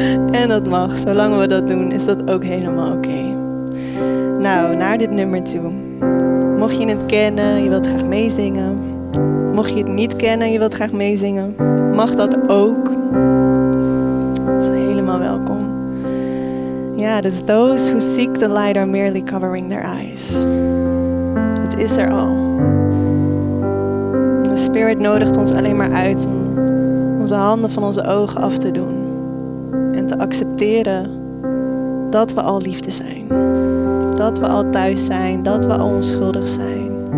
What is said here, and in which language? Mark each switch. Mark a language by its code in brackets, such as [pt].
[nl] En dat mag. Zolang we dat doen, is dat ook helemaal oké. Nou, naar dit nummer toe. Mocht je het kennen, je wilt graag meezingen. Mocht je het niet kennen, je wilt graag meezingen. Mag dat ook. Dat is helemaal welkom. Ja, dus [en] those who seek the light are merely covering their eyes. [nl] Het is er al. De spirit nodigt ons alleen maar uit om onze handen van onze ogen af te doen. En te accepteren dat we al liefde zijn. Dat we al thuis zijn, dat we al onschuldig zijn.